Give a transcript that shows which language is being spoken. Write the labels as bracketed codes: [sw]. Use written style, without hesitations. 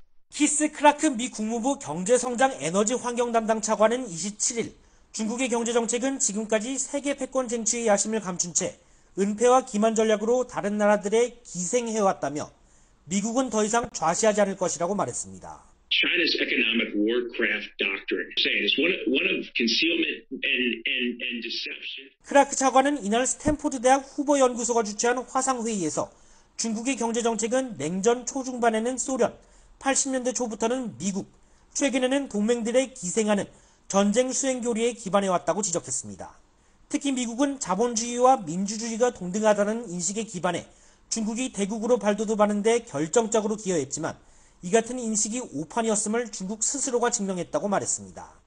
[ko] 키스 크라크 미 국무부 경제성장 에너지 환경 담당 차관은 27일 중국의 경제정책은 지금까지 세계 패권 쟁취의 야심을 감춘 채 은폐와 기만 전략으로 다른 나라들의 기생해왔다며 미국은 더 이상 좌시하지 않을 것이라고 말했습니다. [en] China's economic warcraft doctrine saying it's one of concealment and deception. [ko] 크라크 차관은 이날 스탠포드 대학 후보 연구소가 주최한 화상 회의에서 중국의 경제 정책은 냉전 초중반에는 소련, 80년대 초부터는 미국, 최근에는 동맹들의 기생하는 전쟁 수행 교리에 기반해 왔다고 지적했습니다. 특히 미국은 자본주의와 민주주의가 동등하다는 인식에 기반해 중국이 대국으로 발돋움하는 데 결정적으로 기여했지만 이 같은 인식이 오판이었음을 중국 스스로가 증명했다고 말했습니다.